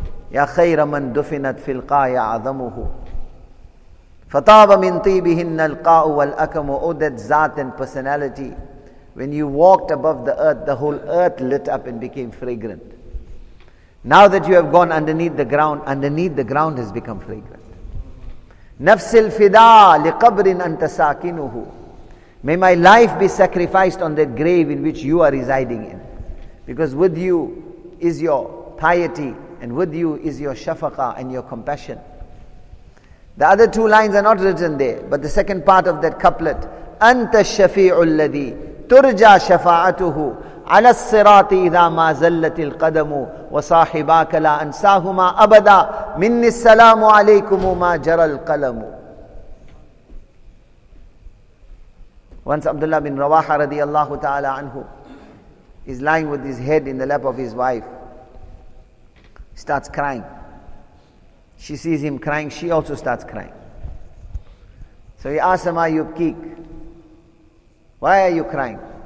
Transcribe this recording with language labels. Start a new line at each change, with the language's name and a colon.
Arabic: يا خير من دفنت في القاع عظمه فطاب من طيبهن القاء والأكم.
English: Oh, that Zat and personality, when you walked above the earth, the whole earth lit up and became fragrant. Now that you have gone underneath the ground has become fragrant.
Arabic: نفس الفداء لقبر أنت ساكنه,
English: may my life be sacrificed on that grave in which you are residing in, because with you is your piety, and with you is your shafaqah and your compassion. The other two lines are not written there, but the second part of that couplet,
Arabic: أنت الشفيع الذي ترجى شفاعته على الصراط إذا ما زلت القدم وصاحباك لا أنساهما أبدا مني السلام عليكم ما جرى القلم.
English: Once Abdullah bin Rawaha رضي الله تعالى عنه is lying with his head in the lap of his wife. Starts crying. She sees him crying, she also starts crying. So he asks him, "Ayyubkik, why are you crying?"